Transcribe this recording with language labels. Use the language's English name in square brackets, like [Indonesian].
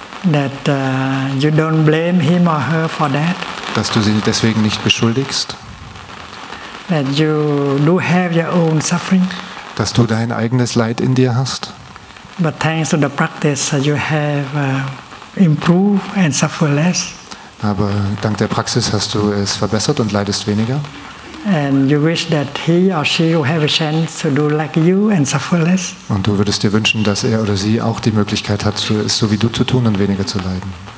[English] That you don't blame him or her for that. [German] Dass du sie deswegen nicht beschuldigst. [English] That you do have your own suffering. [German] Dass du dein eigenes Leid in dir hast. [English] But thanks to the practice, you have improved and suffer less. [German] Aber dank der Praxis hast du es verbessert und leidest weniger. [English] And you wish that he or she will have a chance to do like you and suffer less. [German] Und du würdest dir wünschen, dass er oder sie auch die Möglichkeit hat, es so wie du zu tun und weniger zu leiden.